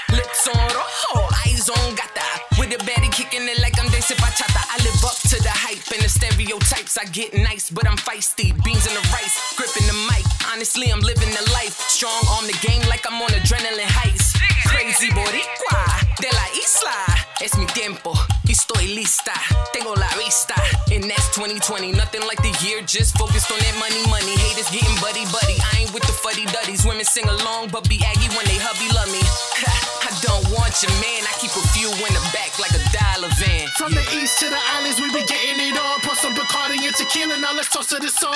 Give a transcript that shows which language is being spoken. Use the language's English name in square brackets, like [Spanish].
[English] Lips on rojo, eyes on gata. With a baddie kicking it like I'm dancing bachata. I live up to the hype and the stereotypes. I get nice, but I'm feisty. Beans and the rice, gripping the mic. Honestly, I'm living the life. Strong on the game like I'm on adrenaline heist. Crazy [Spanish] Boricua de la isla. Es mi tiempo, estoy lista, tengo la vista. [English] And that's 2020, nothing like the year, just focused on that money, money. Haters getting buddy-buddy, I ain't with the fuddy-duddies. Women sing along, but be aggy when they hubby love me. Ha, I don't want your man, I keep a few in the back like a dollar van. From the east to the islands, we be getting it all. Pour some Bacardi and tequila, now let's toss to the song.